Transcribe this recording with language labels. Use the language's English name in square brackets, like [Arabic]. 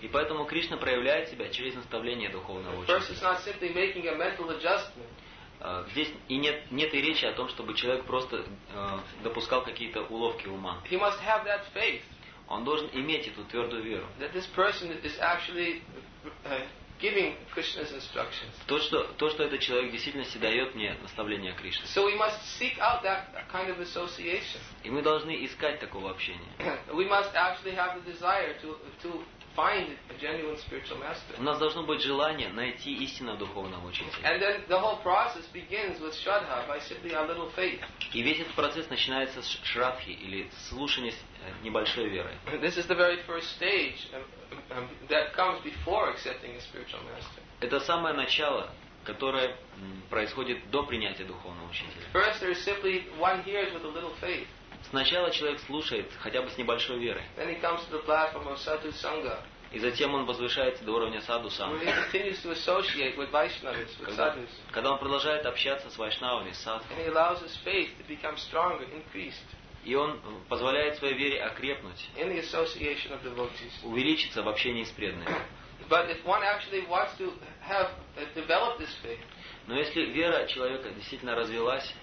[Russian] И поэтому Кришна проявляет себя через наставление духовного учителя. [English] First, it's not simply making a mental adjustment. [Russian] Здесь и нет и речи о том, чтобы человек просто допускал какие-то уловки ума. [English] He must have that faith. [Russian] Он должен иметь эту твердую веру. [English] That this person is actually giving Krishna's instructions. [Russian] То, что этот человек в действительности дает мне наставление Кришны. [English] So we must seek out that kind of association. [Russian] И мы должны искать такого общения. [English] We must actually have the desire to find a genuine spiritual master. [Russian] У нас должно быть желание найти истинного духовного учителя. [English] And then the whole process begins with shraddha, by simply our little faith. [Russian] И весь этот процесс начинается с шрадхи или слушания с небольшой верой. [English] This is the very first stage that comes before accepting a spiritual master. [Russian] Это самое начало, которое происходит до принятия духовного учителя. [English] First, there is simply one hears with a little faith. [Russian] Сначала человек слушает, хотя бы с небольшой верой. [English] Then he comes to the platform of sadhu sangha. [Russian] И затем он возвышается до уровня саду санга. [English] Where he continues to associate with Vaishnavas, with sadhus. [Russian] Когда он продолжает общаться с вайшнавами, садху. [English] And he allows his faith to become stronger, increased. [Russian] И он позволяет своей вере окрепнуть. [English] In the association of devotees. [Russian] Увеличиться в общении с преданными. [English] But if one actually wants to have developed this faith. [Russian] Но если вера человека действительно развилась.